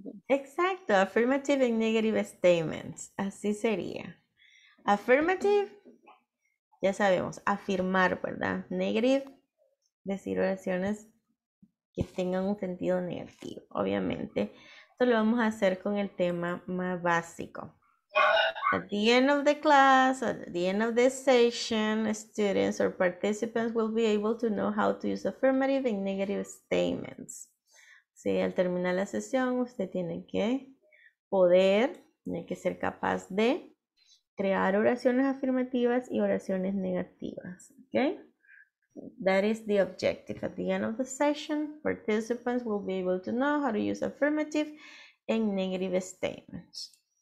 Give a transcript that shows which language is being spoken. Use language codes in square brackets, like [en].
[en] Exacto, affirmative and negative statements. [es] Así sería. Affirmative, ya sabemos, afirmar, ¿verdad? Negative, decir oraciones que tengan un sentido negativo. Obviamente, esto lo vamos a hacer con el tema más básico. [en] At the end of the class, at the end of this session, students or participants will be able to know how to use affirmative and negative statements. [es] Sí, al terminar la sesión, usted tiene que poder, tiene que ser capaz de crear oraciones afirmativas y oraciones negativas. [en] ¿Ok? That is the objective. At the end of the session, participants will be able to know how to use affirmative and negative statements.